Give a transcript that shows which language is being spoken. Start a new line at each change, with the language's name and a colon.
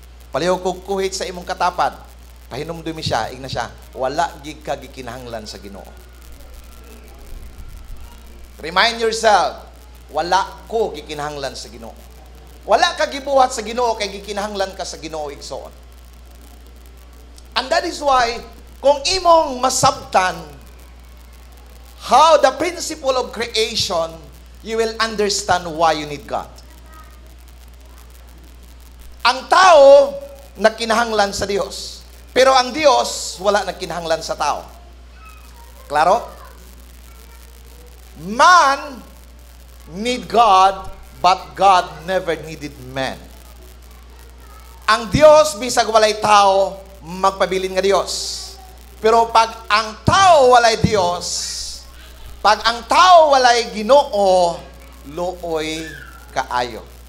Cebuano: Palihog kong kuhit sa imong katapad, pahinumdumi siya, igna siya, wala gika gikinahanglan sa Ginoo.
English: Remind yourself,
Cebuano: wala ko gikinahanglan sa Ginoo. Wala ka gibuhat sa Ginoo, kay gikinahanglan ka sa Ginoo, igsoon.
English: And that is why,
Cebuano: kung imong masabtan
English: how the principle of creation, you will understand why you need God.
Cebuano: Ang tao, nagkinahanglan sa Diyos. Pero ang Diyos, wala nagkinahanglan sa tao. Klaro?
English: Man need God, but God never needed man.
Cebuano: Ang Diyos, bisag walay tao, magpabilin nga Diyos. Pero pag ang tao walay Diyos, pag ang tao walay Ginoo, looy kaayo.